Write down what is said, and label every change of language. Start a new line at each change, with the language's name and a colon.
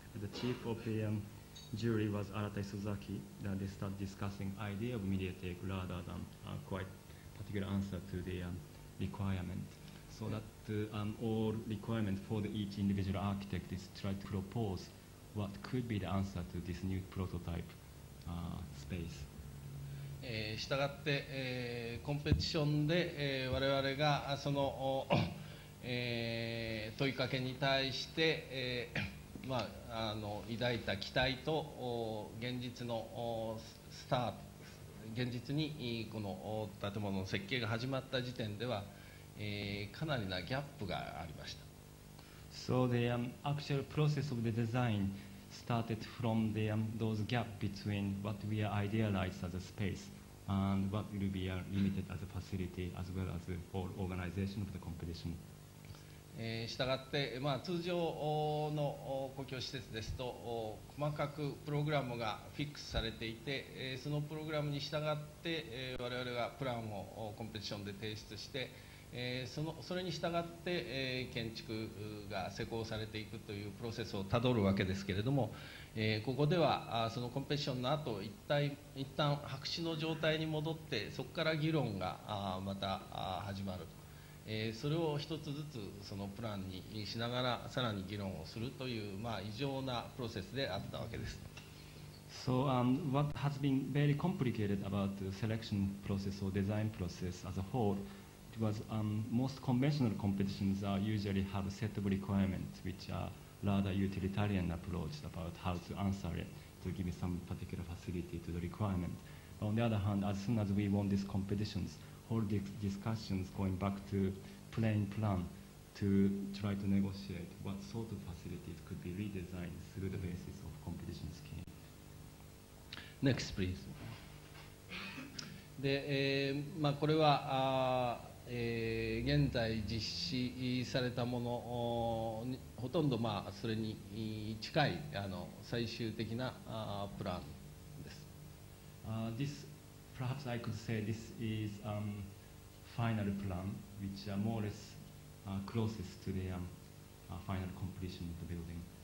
English: The chief of the jury was Arata Isozaki, that they start discussing idea of MediaTek rather than a quite particular answer to the requirement. So that all requirements for the each individual architect is tried to propose what could be the answer to this new prototype space.
Japanese: したがって、コンペティションで、我々がその、問いかけに対して、抱いた期待と現実のスタート、現実にこの建物の設計が始まった時点では、かなりなギャップがありました。
English: So the actual process of the design started from the, those gap between what we are idealized as a space. And what will be limited as a facility as well as the whole organization of the competition.
Japanese: したがって、通常の公共施設ですと、細かくプログラムがフィックスされていて、そのプログラムに従って、我々がプランをコンペティションで提出して、それに従って、建築が施工されていくというプロセスをたどるわけですけれども、ここではそのコンペティションの後一旦白紙の状態に戻って、そこから議論がまた始まる、それを一つずつそのプランにしながらさらに議論をするという、異常なプロセスであったわけです。
English: So、what has been very complicated about the selection process or design process as a whole was、most conventional competitions usually have a set of requirements which areRather utilitarian approach about how to answer it to give some particular facility to the requirement. But on the other hand, as soon as we won these competitions, all the discussions going back to plain plan to try to negotiate what sort of facilities could be redesigned through the basis of competition scheme. Next, please.
Japanese: で、これは、現在実施されたものにほとんど、それに近い最終的なプランです。
English: This, perhaps I could say this is final plan, which are more or less closest to the final completion of the building.